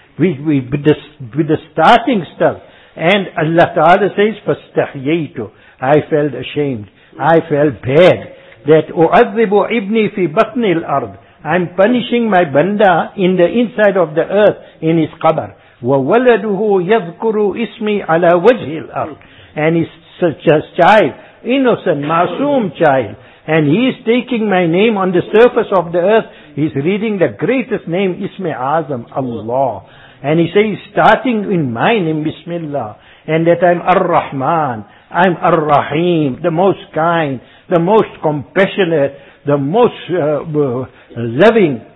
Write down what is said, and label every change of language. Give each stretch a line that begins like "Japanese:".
English: With the starting stuff. And Allah Ta'ala says,
Arabic: فَاسْتَحْيَيْتُ.
English: I felt ashamed. I felt bad. That,
Arabic: أُعَذِّبُ ibni fi بَطْنِ الْأَرْضِ.
English: I'm punishing my banda in the inside of the earth in his qabr.
Arabic: وَوَلَدُهُ يَذْكُرُ ismi عَلَى وَجْهِ الْأَرْضِ.
English: And he's such a child, innocent, masoom child. And he's taking my name on the surface of the earth. He's reading the greatest name, ismi azam, Allah. And he says, starting in my name, Bismillah. And that I'm Ar-Rahman, I'm Ar-Rahim, the most kind, the most compassionate, the most loving.